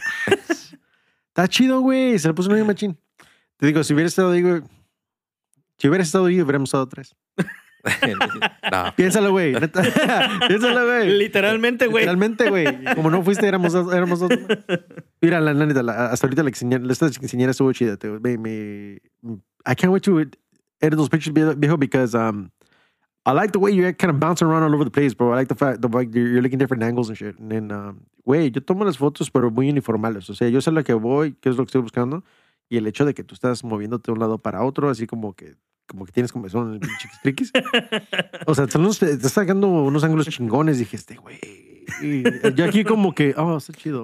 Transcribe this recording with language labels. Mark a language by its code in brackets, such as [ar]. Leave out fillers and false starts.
[es] Está chido, güey. Se le puso un medio machín. Te digo, si hubiera estado ahí, güey. Si hubiera estado ahí, hubiéramos estado tres. No. Piénsalo, güey. Piénsalo, güey. Literalmente, güey. Literalmente, güey. Como no fuiste, éramos dos. Mira, la neta, hasta ahorita la quinceañera estuvo chida. [en] I can't wait to edit those pictures, viejo, because I like the way you kind of bounce around all over the place, bro. I like the fact you're looking different angles and shit. And then, [es] güey, yo tomo las fotos, pero muy uniformales. O sea, yo sé lo que voy, qué es lo que estoy buscando. Y el hecho de que tú estás moviéndote de un lado para otro, así como que tienes como son el pinche triquis. O sea, te estás sacando unos ángulos chingones. Dije, güey. Yo aquí como que, está chido.